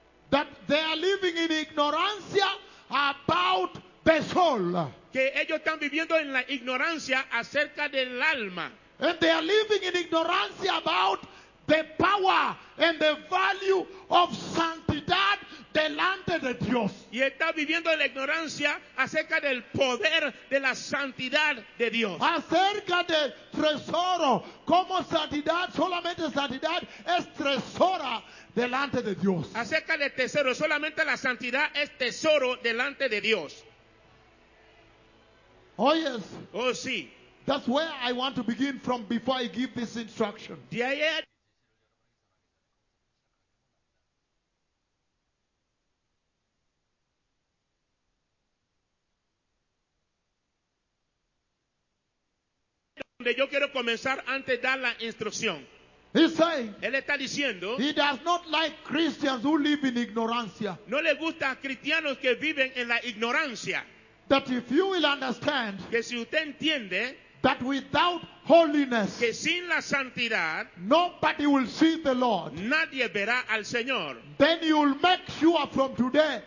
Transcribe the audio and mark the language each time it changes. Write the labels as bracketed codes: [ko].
[en] that they are living in ignorancia about the soul, [es] que ellos están viviendo en la ignorancia acerca del alma. [en] And they are living in ignorance about the power and the value of [es] santidad delante de Dios. Y está viviendo en la ignorancia acerca del poder de la santidad de Dios. Acerca del tesoro, como santidad, solamente santidad es tesoro delante de Dios. Acerca del tesoro, solamente la santidad es tesoro delante de Dios. [en] Oh yes. [es] Oh sí. [en] That's where I want to begin from before I give this instruction. Yeah, yeah. [es] Donde yo quiero comenzar antes de dar la instrucción. [en] He's saying, [es] él está diciendo, [en] he does not like Christians who live in ignorancia. [es] No le gusta a cristianos que viven en la ignorancia. [en] that if you will understand [es] que si usted entiende, [en] that without holiness, [es] que sin la santidad, [en] nobody will see the Lord. [es] Nadie verá al Señor. [en] Then you will make sure from today.